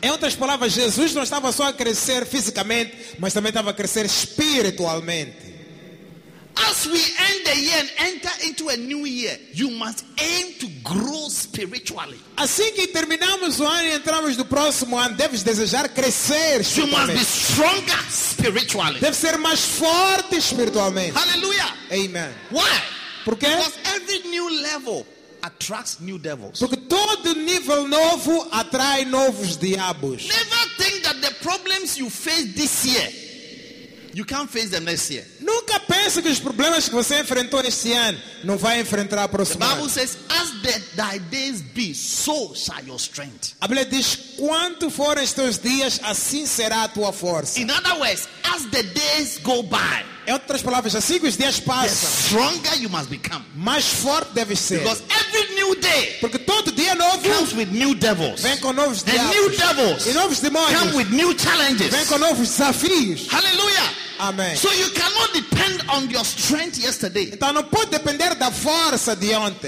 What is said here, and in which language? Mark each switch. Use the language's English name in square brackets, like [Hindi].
[Portuguese] Em outras palavras, Jesus não estava só a crescer fisicamente, mas também estava a crescer espiritualmente. [English] As we end the year and enter into a new year, you must aim to grow spiritually. [Portuguese] Assim que terminamos o ano e entramos no próximo ano, deves desejar crescer espiritualmente. [English] You must be stronger spiritually. [Portuguese] Deve ser mais forte espiritualmente. [English] Hallelujah. [Portuguese] Amen. [English] Why? [Portuguese] Porque? [English] Because every new level attracts new devils. [Portuguese] Porque todo nível novo atrai novos diabos. [English] Never think that the problems you face this year, you can't face them next year. [Portuguese] Nunca pense que os problemas que você enfrentou este ano não vai enfrentar a próxima. [English] The Bible says, as thy days be, so shall your strength. [Portuguese] A Bíblia diz, quanto forem os teus dias, assim será a tua força. [English] In other words, as the days go by. [Portuguese] Em outras palavras, assim que os dias passam, [English] the stronger you must become. [Portuguese] Mais forte deve ser. [English] Because every new day, [Portuguese] porque todo dia novo, [English] comes with new devils. [Portuguese] Vem com novos diabos. [English] And new devils, [Portuguese] e novos demônios, [English] come with new challenges. [Portuguese] Vem com novos desafios. [English] Hallelujah. [Portuguese] Amém. [English] So you cannot depend on your strength yesterday. [Portuguese] Então não pode depender da força de ontem.